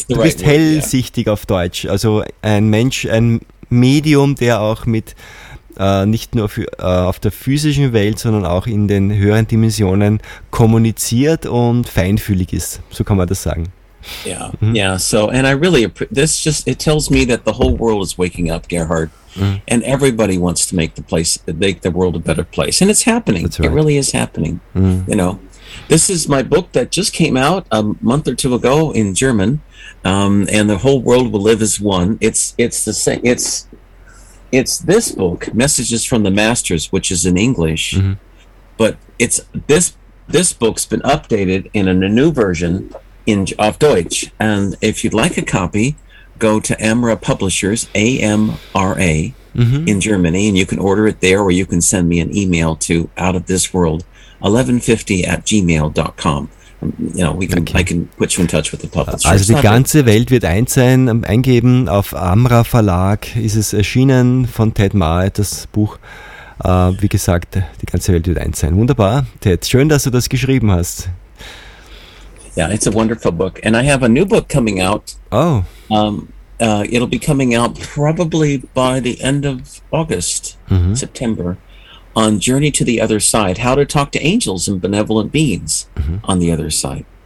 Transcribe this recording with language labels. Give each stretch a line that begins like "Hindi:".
German: du bist hellsichtig auf Deutsch. Also ein Mensch, ein Medium, der auch mit nicht nur auf der physischen Welt, sondern auch in den höheren Dimensionen kommuniziert und feinfühlig ist. So kann man das sagen.
English: Yeah. Mm-hmm. Yeah. So, and I really, this just, it tells me that the whole world is waking up, Gerhard, mm-hmm. and everybody wants to make the world a better place. And it's happening. That's right. It really is happening. Mm-hmm. You know, this is my book that just came out a month or two ago in German. And the whole world will live as one. It's the same. It's this book, Messages from the Masters, which is in English, mm-hmm. but it's this book's been updated in a new version in
German: auf Deutsch.
English: And if you'd like a copy, go to Amra Publishers, AMRA, mm-hmm. in Germany, and you can order it there, or you can send me an email to outofthisworld1150@gmail.com. You know, I can put you in touch with the publisher.
German: Also die ganze Welt wird eins sein, eingeben. Auf Amra Verlag ist es erschienen von Ted Maher, das Buch. Wie gesagt, die ganze Welt wird eins sein. Wunderbar, Ted. Schön, dass du das geschrieben hast.
English: Yeah, it's a wonderful book. And I have a new book coming out. Oh. It'll be coming out probably by the end of August, mm-hmm. September, on Journey to the Other Side, How to Talk to Angels and Benevolent Beings, mm-hmm. on the Other Side.